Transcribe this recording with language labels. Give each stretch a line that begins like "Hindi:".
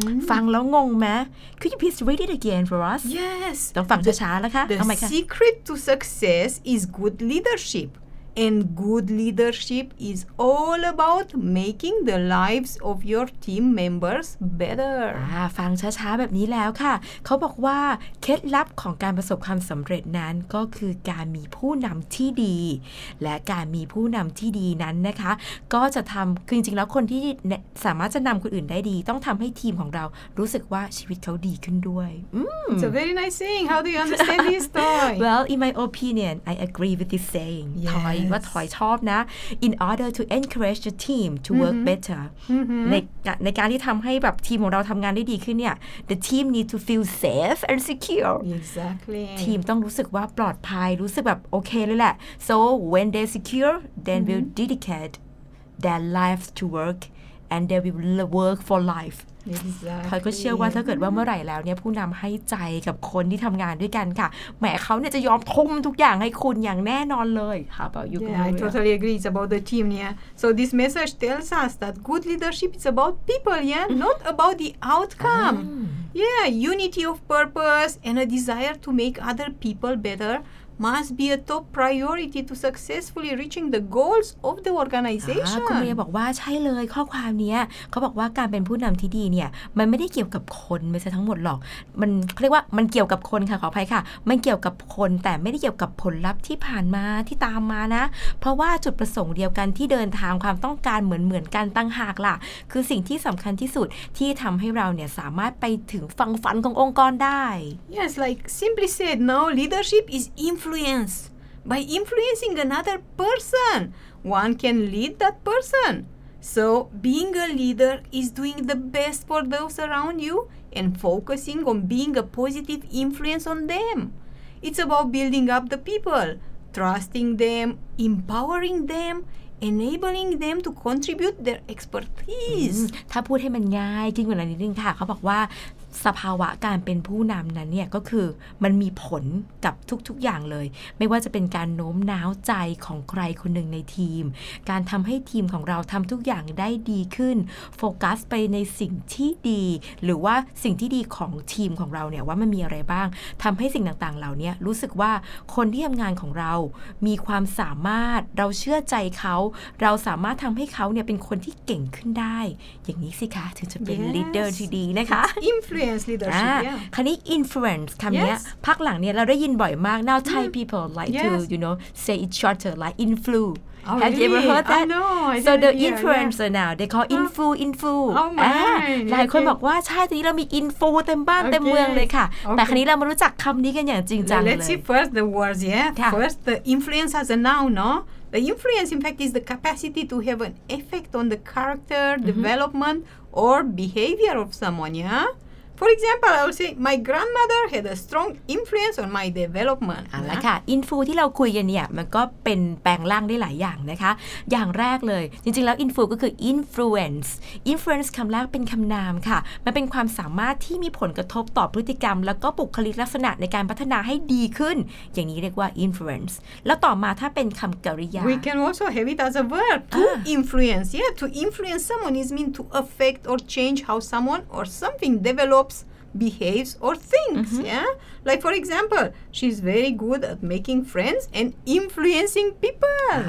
Thai: ฟังแล้วงงไหม
English: Could you please read it again for us? Yes.
Thai: ต้องฟังช้าๆแล้วค่ะ
English: The secret to success is good leadership. And good leadership is all about making the lives of your team members better.
Thai: ฟังช้าๆแบบนี้แล้วค่ะเขาบอกว่าเคล็ดลับของการประสบความสำเร็จนั้นก็คือการมีผู้นำที่ดีและการมีผู้นำที่ดีนั้นนะคะก็จะทำคือจริงๆแล้วคนที่สามารถจะนำคนอื่นได้ดีต้องทำให้ทีมของเรารู้สึกว่าชีวิตเขาดีขึ้นด้วย
English: It's a very nice thing. How do you understand this story? Well, in my opinion, I agree with this saying. Yes.
Thai: ว่าถอยชอบนะ
English: in order to encourage the team to work better
Thai: ในการที่ทำให้แบบทีมของเราทำงานได้ดีขึ้นเนี่ย
English: the team need to feel safe and secure exactly
Thai: ทีมต้องรู้สึกว่าปลอดภัยรู้สึกแบบโอเคเลยแหละ
English: so when they're secure then will dedicate their lives to work and they will work for life Exactly.
Thai: เขาก็เชื่อว่าถ้าเกิดว่าเมื่อไหร่แล้วเนี่ยผู้นำให้ใจกับคนที่ทำงานด้วยกันค่ะแหมเขาเนี่ยจะยอมทุ่มทุกอย่างให้คุณอย่างแน่นอนเลย
English: How about you? Yeah, I totally agree. It's about the team, yeah. So this message tells us that good leadership is about people, yeah, not about the outcome. Yeah, unity of purpose and a desire to make other people better. Must be a top priority to successfully reaching the goals of the organization.
Thai: คุณเมย์บอกว่าใช่เลยข้อความนี้เขาบอกว่าการเป็นผู้นำที่ดีเนี่ยมันไม่ได้เกี่ยวกับคนไปซะทั้งหมดหรอกมันเขาเรียกว่ามันเกี่ยวกับคนค่ะขออภัยค่ะมันเกี่ยวกับคนแต่ไม่ได้เกี่ยวกับผลลัพธ์ที่ผ่านมาที่ตามมานะเพราะว่าจุดประสงค์เดียวกันที่เดินทางความต้องการเหมือนกันตั้งหากล่ะคือสิ่งที่สำคัญที่สุดที่ทำให้เราเนี่ยสามารถไปถึงฝันขององค์กรได้
English: Yes, like simply said, no leadership is influence by influencing another person one can lead that person so being a leader is doing the best for those around you and focusing on being a positive influence on them it's about building up the people trusting them empowering themenabling them to contribute their expertise
Thai: ถ้าพูดให้มันง่ายขึ้นกว่านั้นนิดนึงค่ะเขาบอกว่าสภาวะการเป็นผู้นำนั้นเนี่ยก็คือมันมีผลกับทุกๆอย่างเลยไม่ว่าจะเป็นการโน้มน้าวใจของใครคนหนึ่งในทีมการทำให้ทีมของเราทำทุกอย่างได้ดีขึ้นโฟกัสไปในสิ่งที่ดีหรือว่าสิ่งที่ดีของทีมของเราเนี่ยว่ามันมีอะไรบ้างทำให้สิ่งต่างๆเหล่านี้รู้สึกว่าคนที่ทำงานของเรา มีความสามารถเราเชื่อใจเขาเราสามารถทำให้เขาเนี่ยเป็นคนที่เก่งขึ้นได้อย่างนี้สิคะถึงจะเป็น leader ที่ดีนะคะ
English: influence leadership
Thai: คราวนี้ influence คำนี้พักหลังเนี่ยเราได้ยินบ่อยมาก
English: now Thai people like to you know say it shorter like influence oh, have you ever heard that oh, no, so the influencer now they call influence ห
Thai: ลายคนบอกว่าใช่ตอนนี้เรามี info เต็มบ้านเต็มเมืองเลยค่ะแต่คราวนี้เรามารู้จักคำนี้กันอย่างจริงจังเลย
English: let's see first the words first the influence as a noun no The influence, in fact, is the capacity to have an effect on the character, development, or behavior of someone, yeah? For example, I would say my grandmother had a strong influence on my development.
Thai: อ่ะละค่ะ Influ ที่เราคุยกันเนี่ยมันก็เป็นแปลงร่างได้หลายอย่างนะคะอย่างแรกเลยจริงๆแล้ว Influ ก็คือ Influence Influence คำแรกเป็นคำนามค่ะมันเป็นความสามารถที่มีผลกระทบต่อพฤติกรรมแล้วก็บุคลิกลักษณะในการพัฒนาให้ดีขึ้นอย่างนี้เรียกว่า Influence แล้วต่อมาถ้าเป็นคำกริยา
English: We can also have it as a verb To influence Yeah, to influence someone is mean to affect or change how someone or something develop behaves or thinks mm-hmm. yeah like for example she's very good at making friends and influencing people